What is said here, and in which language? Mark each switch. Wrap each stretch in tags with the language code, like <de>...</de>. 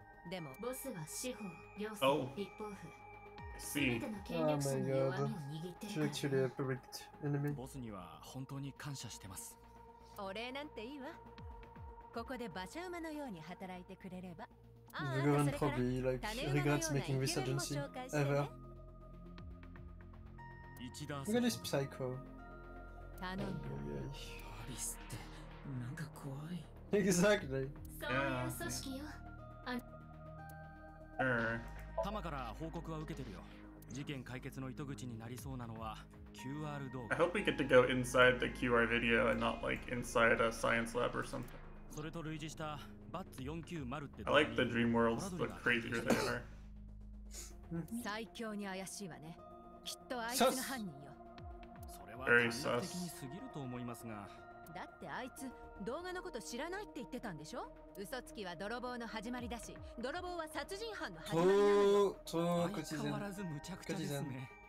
<ja>でもボスは司法、行政、立法府、全ての権力者の弱みを握っているから。</ja> <en>Oh my God. Actually, a perfect enemy.</en> <ja>ボスには本当に感謝してます。お礼なんていいわ。ここで馬車馬のように働いてくれれば。</ja> <en>The government probably like regrets making this agency ever. Look at this psycho.</en> <ja>頼んだ。アビスって。なんか怖い。</ja> <en>Exactly.</en> <ja>そういう組織よ。タマから報告は受けてるよ。事件解決の糸口になりそうなのは QR 動画。</ja> <en>I hope we get to go inside the QR video and not like inside a science lab or something.</en> <ja>それと類似したバッツ490って。</ja> <en>I like the dream worlds, but crazier they are.</en> <ja>最強に怪しいわね。きっとあいつが犯人よ。それは感覚的にすぎると思いますが。だってあいつ動画のこと知らないって言ってたんでしょ。嘘つきは泥棒の始まりだし、泥棒は殺人犯の始まりなの。相変わらず無茶苦茶ですね。</ja>